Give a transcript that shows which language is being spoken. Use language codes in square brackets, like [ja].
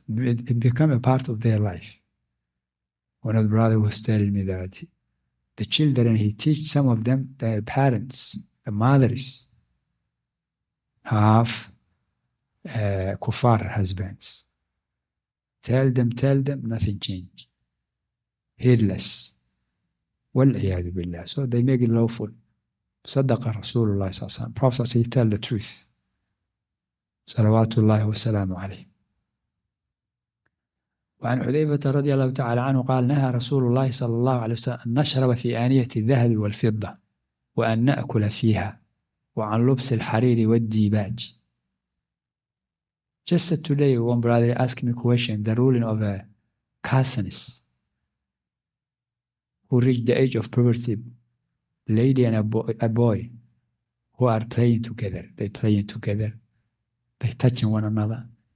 [en] It become a part of their life. One of the brothers was telling me that the children, he teach some of them, their parents, the mothers, have kuffar husbands. Tell them, nothing change. Heedless. [ar] وَالْعِيَادُ بِاللَّهِ. [en] So they make it lawful. [ar] صَدَّقَ رَسُولُ اللَّهِ صَلَّى اللَّهِ عَلَيْهِ وَسَلَّمَ. [en] Prophet says, tell the truth. [ar] صَلَوَاتُ اللَّهِ وَسَلَامُ عَلَيْهِ. وعن حذيفة رضي الله تعالى عنه قال نهى رسول الله صلى الله عليه وسلم أن نشرب في آنية الذهب والفضة وأن نأكل فيها وعن لبس الحرير والديباج. [en] Just today one brother asked me a question, the ruling of a cousins who reached the age of puberty, lady and a boy who are playing together, they touching one another.